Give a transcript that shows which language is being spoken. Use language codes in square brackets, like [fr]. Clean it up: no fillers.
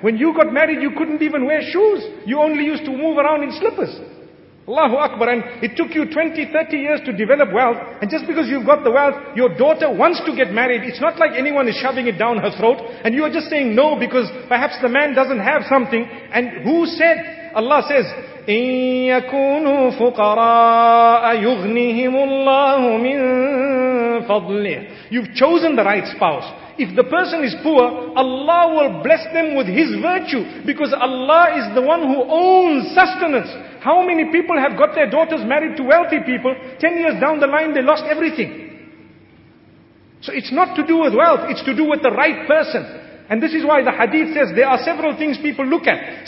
[en] When you got married, you couldn't even wear shoes. You only used to move around in slippers. Allahu Akbar. And it took you 20, 30 years to develop wealth. And just because you've got the wealth, your daughter wants to get married. It's not like anyone is shoving it down her throat. And you are just saying no because perhaps the man doesn't have something. And who said? Allah says, [ar] إِن يَكُونُوا فُقَرَاءَ يُغْنِهِمُ اللَّهُ مِن فَضْلِهِ. [en] You've chosen the right spouse. If the person is poor, Allah will bless them with His virtue because Allah is the one who owns sustenance. How many people have got their daughters married to wealthy people? 10 years down the line, they lost everything. So it's not to do with wealth, it's to do with the right person. And this is why the hadith says there are several things people look at.